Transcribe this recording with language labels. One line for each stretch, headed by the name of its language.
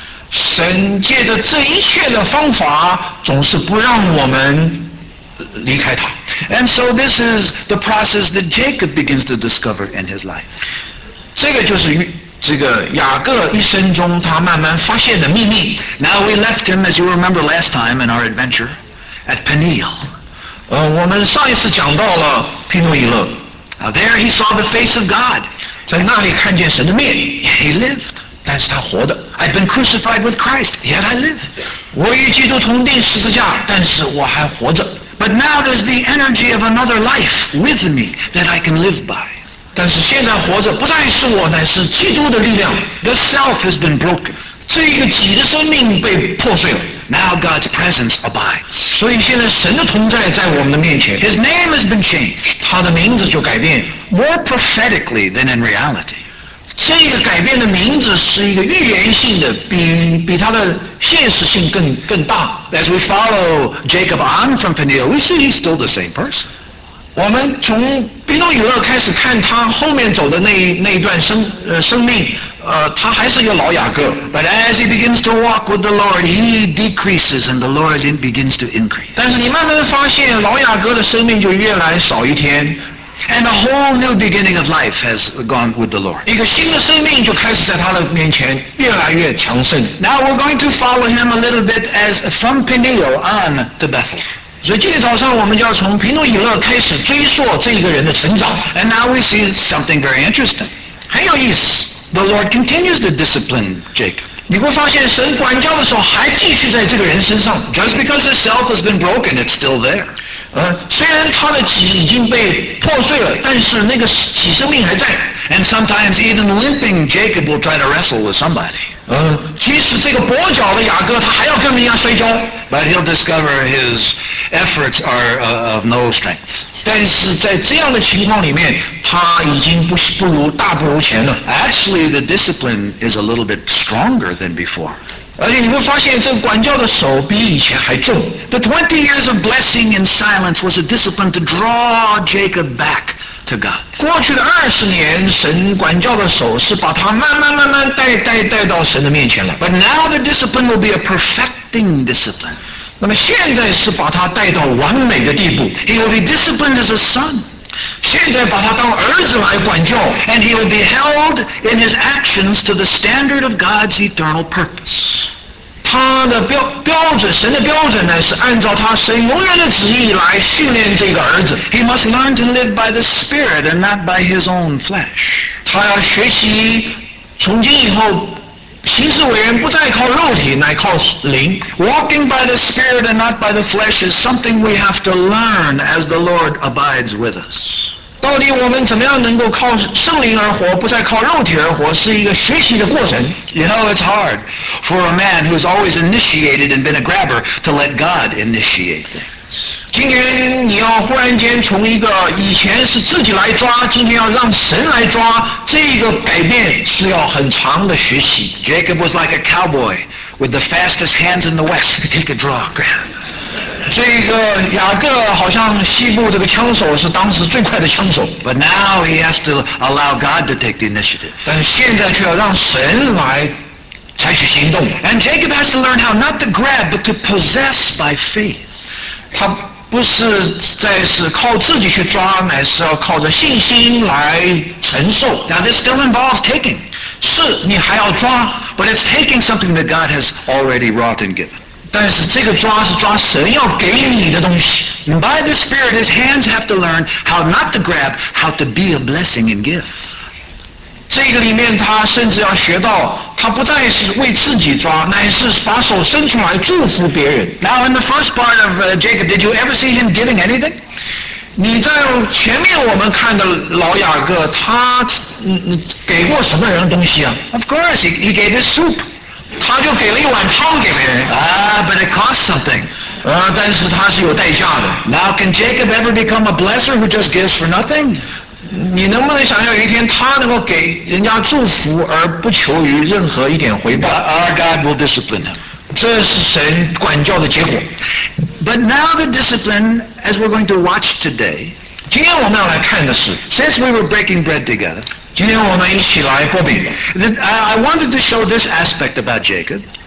Chinese: 神借着这一切的方法总是不让我们离开他
English: And so this is the process that Jacob begins to discover in his life
Chinese: 这个就是这个雅各一生中他慢慢发现的秘密
English: Now we left him as you remember last time in our adventure at Peniel
Chinese: 我们上一次讲到了庇诺伊勒
English: Now there he saw the face of God
Chinese: 在那里看见神的面
English: He lived
Chinese: 但是他活的
English: I've been crucified with Christ, yet I live.
Chinese: 我与基督同钉十字架，但是我还活着。
English: But now there's the energy of another life with me that I can live by.
Chinese: 但是现在活着不再是我，乃是基督的力量。
English: The self has been broken.
Chinese: 这一个己的生命被破碎了。
English: Now God's presence abides.
Chinese: 所以现在神的同在在我们的面前。
English: His name has been changed.
Chinese: 他的名字就改变。
English: More prophetically than in reality.
Chinese: 这个改变的名字是一个预言性的 比它的现实性 更大
English: As we follow Jacob on from Peniel We see he's still the same person
Chinese: 我们从庇诺伊勒开始看他后面走的那一段 生命他还是一个老雅各
English: But as he begins to walk with the Lord He decreases and the Lord begins to increase
Chinese: 但是你慢慢发现老雅各的生命就越来少一天
English: And a whole new beginning of life has gone with the Lord.
Chinese: 一个新的生命就开始在他的面前越来越强盛。
English: Now we're going to follow him a little bit as from Peniel on to Bethel.
Chinese: 所以今天早上我们就要从庇诺伊勒开始追溯这个人的成长。
English: And now we see something very interesting.
Chinese: 很有意思。
English: The Lord continues to discipline Jacob.
Chinese: 你会发现神管教的时候还继续在这个人身上
English: Just because his self has been broken, it's still there
Chinese: 虽然他的己已经被破碎了但是那个己生命还在
English: And sometimes even limping Jacob will try to wrestle with somebody
Chinese: 即使这个跛脚的雅各他还要跟人家摔跤
English: But he'll discover his efforts are of no strength
Chinese: 但是在这样的情况里面他已经大不如前了
English: Actually the discipline is a little bit stronger than before
Chinese: 而且你会发现这个管教的手比以前还重
English: The 20 years of blessing and silence was a discipline to draw Jacob back to God
Chinese: 过去的二十年神管教的手是把他慢慢慢慢带到神的面前了
English: But now the discipline will be a perfecting discipline
Chinese: 那么现在是把他带到完美的地步
English: He will be disciplined as a son
Chinese: 现在把他当儿子来管教
English: and he will be held in his actions to the standard of God's eternal purpose
Chinese: 他的 标准神的标准呢是按照他神永远的旨意来训练这个儿子
English: he must learn to live by the spirit and not by his own flesh
Chinese: 他要学习从今以后行事为人不再靠肉体，乃靠灵。
English: Walking by the Spirit and not by the flesh is something we have to learn as the Lord abides with us.
Chinese: 到底我们怎么样能够靠圣灵而活，不再靠肉体而活，是一个学习的过程。
English: You know, it's hard for a man who's always initiated and been a grabber to let God initiate things.
Chinese: 今天你要忽然间从一个以前是自己来抓，今天要让神来抓，这个改变是要很长的学习。
English: Jacob was like a cowboy with the fastest hands in the West. He could draw ground.
Chinese: 这个雅各好像西部这个枪手是当时最快的枪手。
English: But now he has to allow God to take the initiative.
Chinese: 但现在却要让神来采取行动。
English: And Jacob has to learn how not to grab but to possess by faith.
Chinese: 他不是在是靠自己去抓，乃是要靠着信心来承受。
English: Now this still involves taking.
Chinese: 是，你还要抓。
English: But it's taking something that God has already wrought and given.
Chinese: 但是这个抓是抓神要给你的东西。
English: And by the Spirit, his hands have to learn how not to grab, how to be a blessing and give.
Chinese: 这个里面他甚至要学到他不再是为自己抓，乃是把手伸出来祝福别人。
English: Now in the first part of Jacob, did you ever see him giving anything?
Chinese: 你在前面我们看的老雅各他给过什么人东西啊？
English: Of course, he gave his soup.
Chinese: 他就给了一碗汤给别人。
English: But it cost something.
Chinese: 但是他是有代价的。
English: Now can Jacob ever become a blesser who just gives for nothing?
Chinese: 你能不能想象有一天他能够给人家祝福而不求于任何一点回报？
English: Our God will discipline him.
Chinese: 这是神管教的结果。
English: But now the discipline, as we're going to watch today,
Chinese: 今天我们要来看的是
English: since we were breaking bread together,
Chinese: 今天我们一起来过饼。
English: I wanted to show this aspect about Jacob.